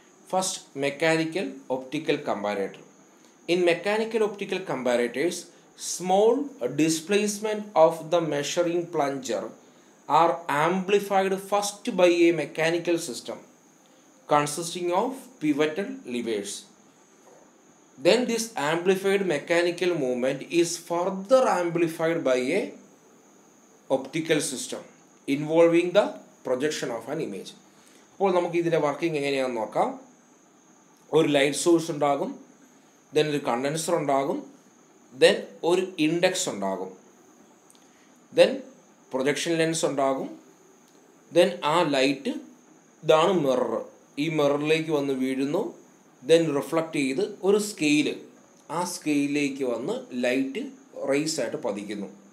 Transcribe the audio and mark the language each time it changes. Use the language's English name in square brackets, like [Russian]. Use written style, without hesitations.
[English] First mechanical optical comparator. In mechanical optical comparators small displacement of the measuring plunger are amplified first by a mechanical system consisting of pivoted levers. Then this amplified mechanical movement is further amplified by a optical system involving the projection of an image. [Malayalam] അപ്പോൾ നമുക്ക് ഇതിൻ്റെ working എങ്ങനെയാണെന്ന് നോക്കാം. ഒരു light source ഉണ്ടാകും, then ഒരു condenser ഉണ്ടാകും, then ഒരു ഇൻഡക്സ് ഉണ്ടാകും, ദെൻ പ്രൊജക്ഷൻ ലെൻസ് ഉണ്ടാകും, ദെൻ ആ ലൈറ്റ് ഇതാണ് മിറർ, ഈ മിററിലേക്ക് വന്ന് വീഴുന്നു, ദെൻ റിഫ്ലക്റ്റ് ചെയ്ത് ഒരു സ്കെയിൽ, ആ സ്കെയിലേക്ക് വന്ന് ലൈറ്റ് റേസ് ആയിട്ട് പതിക്കുന്നു.